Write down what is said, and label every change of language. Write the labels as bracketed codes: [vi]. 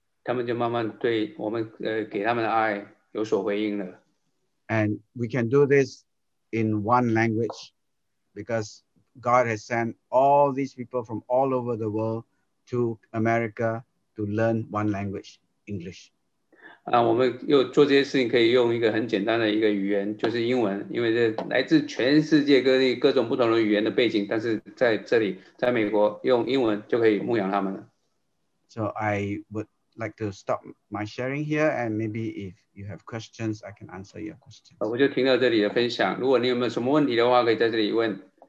[zh] 他们就慢慢对我们, [en] and we can do this in one language because God has sent all these people from all over the world to America to learn one language, English. [zh] 我们又做这些事情可以用一个很简单的一个语言，就是英文，因为这来自全世界各地各种不同的语言的背景，但是在这里，在美国用英文就可以牧养他们了。 [en] So I would like to stop my sharing here, and maybe if you have questions, I can answer your questions. [zh] 我就停到这里的分享，如果你有没有什么问题的话，可以在这里问。